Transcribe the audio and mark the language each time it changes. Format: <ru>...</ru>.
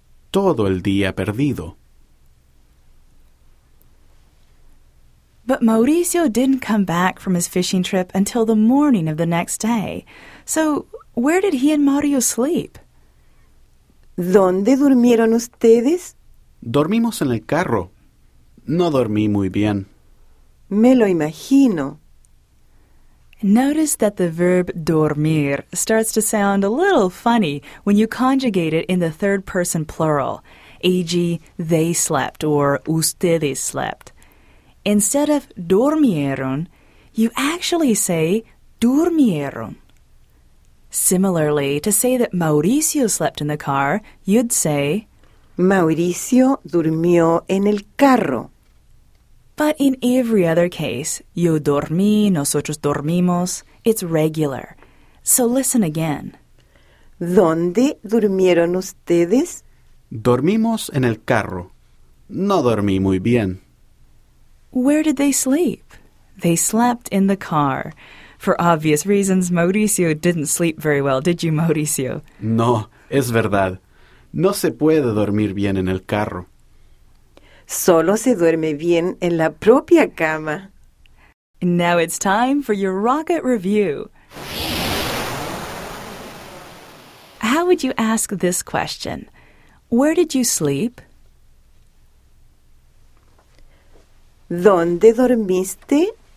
<es>Todo el día perdido.</es> <en>But Mauricio didn't come back from his fishing trip until the morning of the next day. So, where did he and Mario sleep?</en> <es>¿Dónde durmieron ustedes? Dormimos en el carro. No dormí muy bien. Me lo imagino.</es> <en>Notice that the verb dormir starts to sound a little funny when you conjugate it in the third person plural, e.g., they slept or ustedes slept. Instead of dormieron, you actually say durmieron. Similarly, to say that Mauricio slept in the car, you'd say</en> <es>Mauricio durmió en el carro.</es> <en>But in every other case, yo dormí, nosotros dormimos, it's regular. So listen again.</en> <es>¿Dónde durmieron ustedes? Dormimos en el carro. No dormí muy bien.</es> <en>Where did they sleep? They slept in the car. For obvious reasons, Mauricio didn't sleep very well, did you, Mauricio?</en> <es>No, es verdad. No se puede dormir bien en el carro. Solo se duerme bien en la propia cama.</es> <en>Now it's time for your Rocket Review. would you ask this question? Where did you sleep?</en> <es>¿Dónde dormiste?</es>